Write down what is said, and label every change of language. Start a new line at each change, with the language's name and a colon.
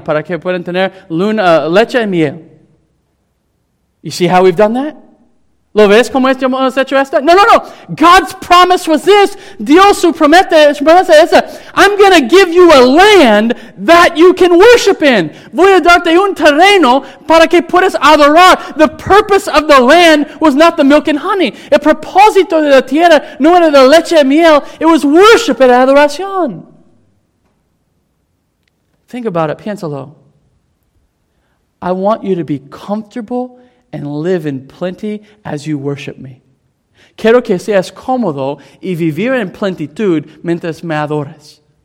Spanish: Para que puedan tener leche y miel.
English: You see how we've done that?
Spanish: ¿Lo ves como hemos hecho esto? No.
English: God's promise was this.
Spanish: Dios su promesa es,
English: I'm going to give you a land that you can worship in.
Spanish: Voy a darte un terreno para que puedas adorar.
English: The purpose of the land was not the milk and honey.
Spanish: El propósito de la tierra no era la leche y miel.
English: It was worship and adoración. Think about it.
Spanish: Piénsalo.
English: I want you to be comfortable and live in plenty as you worship me.
Spanish: Quiero que seas cómodo y vivir en plenitud mientras me adores.